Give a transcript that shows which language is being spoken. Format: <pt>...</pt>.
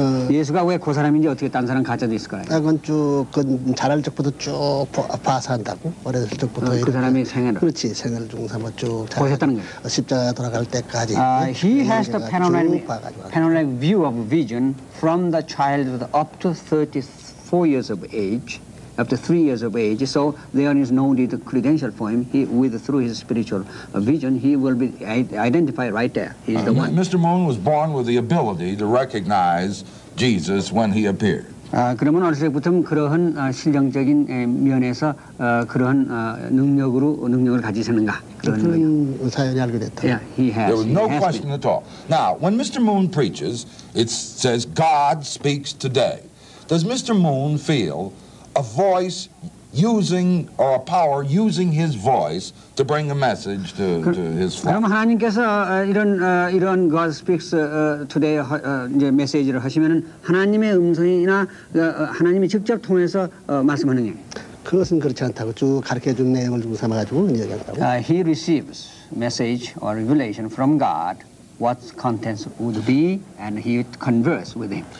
<ko>예수가 왜 그 사람인지 어떻게 다른 사람 가짜도 있을까요? 그건 쭉, 그건 자랄 적부터 쭉 봐서 한다고, 어렸을 적부터. 그 사람이 생애를. 그렇지, 생애를 중삼아 쭉. 보셨다는 거예요. 십자가 돌아갈 때까지.</ko> <en>He has the panoramic view of vision from the childhood up to 34 years of age, up to 3 years of age, so there is no need to credential for him. He, with through his spiritual vision, he will be identified right there. He's the one. Mr. Moon was born with the ability to recognize Jesus when he appeared.</en> <ko>그러면 어렸을 때부터 그러한 신령적인 면에서 그러한 능력으로 능력을 가지셨는가? 그런 사연이 알게 됐다.</ko> <en>Yeah, he has. There was no question at all. Now, when Mr. Moon preaches, it says God speaks today. Does Mr. Moon feel a voice using or a power using his voice to bring a message to his flock?</en> <ko>그럼 하나님께서 이런</ko> <en>God speaks today</en> <ko>이제 메시지를 하시면은 하나님의 음성이나 하나님이 직접 통해서 말씀하는 게 그것은 그렇지 않다고 쭉 가르쳐 준 내용을 중삼아 가지고 이야기한다고.</ko> <en>He receives message or revelation from God. What contents would be, and he would converse with him.</en>